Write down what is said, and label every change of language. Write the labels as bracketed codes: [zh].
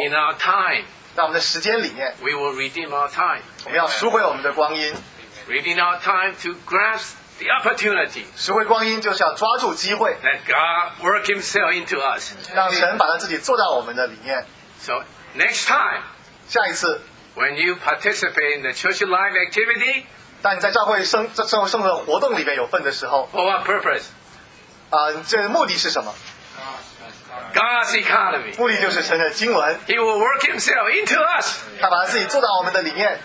[en] In our time. [zh] 在我们的时间里面。 [en] We will redeem our time. [zh] 我们要赎回我们的光阴。 [en] Redeem our time to grasp. The opportunity. [zh] 赎回光阴就是要抓住机会。 [en] Let God work Himself into us. [zh] 让神把他自己做到我们的里面。 [en] So next time, [zh] 下一次 [en] ，when you participate in the church life activity, [zh] 当你在教会生活活动里面有份的时候 [en] ，for what purpose? [zh] 这目的是什么 [en] ？God's economy. [zh] 目的就是神的经纶。 [en] He will work Himself into us. [zh] 他把他自己做到我们的里面。